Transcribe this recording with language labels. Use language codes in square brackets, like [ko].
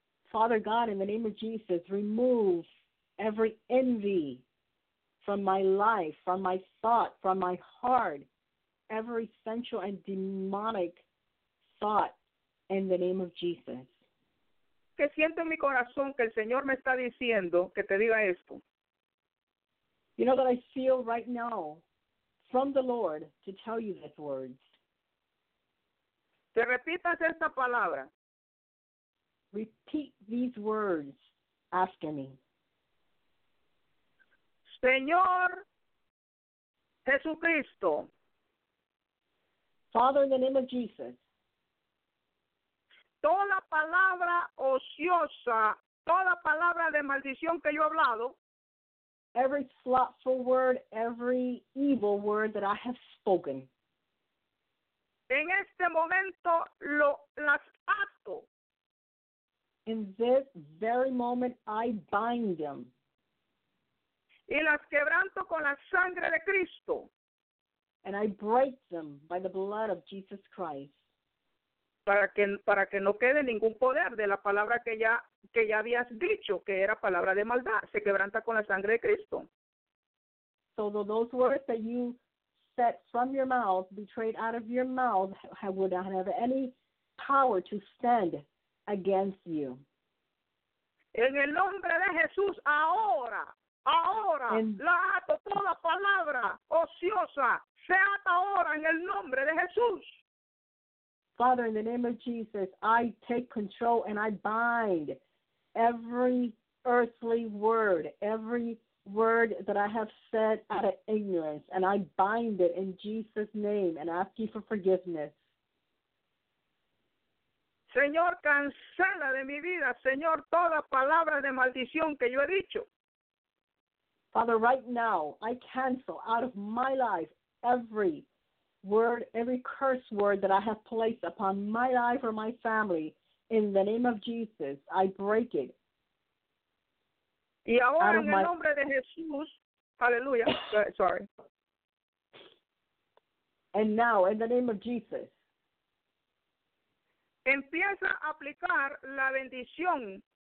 [en] Father God, in the name of Jesus, remove every envy from my life, from my thought, from my heart, every sensual and demonic thought, in the name of Jesus. [es] Que siento en mi corazón que el Señor me está diciendo que te diga esto. [en] You know that I feel right now from the Lord to tell you these words. [es] Te repitas esta palabra. [en] Repeat these words after me. [es] Señor Jesucristo. [en] Father, in the name of Jesus. [es] Toda palabra ociosa, toda palabra de maldición que yo he hablado. [en] Every slothful word, every evil word that I have spoken. [es] En este momento, las ato. [en] In this very moment, I bind them. [es] Y las quebranto con la sangre de Cristo. [en] And I break them by the blood of Jesus Christ. [es] Para que no quede ningún poder de la palabra que ya habías dicho, que era palabra de maldad, se quebranta con la sangre de Cristo. [en] So those words that you said from your mouth, betrayed out of your mouth, would not have any power to stand against you. [es] En el nombre de Jesús, ahora, la ato toda palabra ociosa, se ata ahora en el nombre de Jesús. [en] Father, in the name of Jesus, I take control and I bind every earthly word, every word that I have said out of ignorance, and I bind it in Jesus' name and ask you for forgiveness. [es] Señor, cancela de mi vida, Señor, toda palabra de maldición que yo he dicho. [en] Father, right now, I cancel out of my life every word, every curse word that I have placed upon my life or my family. In the name of Jesus, I break it. [es] Y ahora en el nombre de Jesús, aleluya, [en] sorry. And now, in the name of Jesus, [es] empieza a aplicar la bendición.